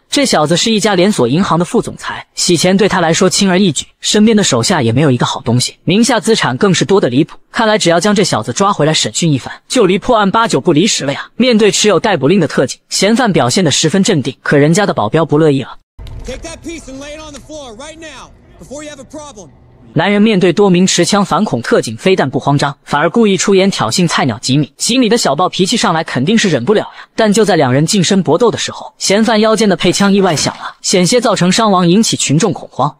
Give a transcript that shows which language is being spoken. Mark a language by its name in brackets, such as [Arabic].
[Chinese] 这小子是一家连锁银行的副总裁，洗钱对他来说轻而易举，身边的手下也没有一个好东西，名下资产更是多得离谱。看来只要将这小子抓回来审讯一番，就离破案八九不离十了呀。面对持有逮捕令的特警，嫌犯表现得十分镇定，可人家的保镖不乐意了。 [English] Take that piece and lay it on the floor right now, before you have a problem. [Chinese] 男人面对多名持枪反恐特警，非但不慌张，反而故意出言挑衅菜鸟吉米。吉米的小暴脾气上来肯定是忍不了呀。但就在两人近身搏斗的时候，嫌犯腰间的配枪意外响了，险些造成伤亡，引起群众恐慌。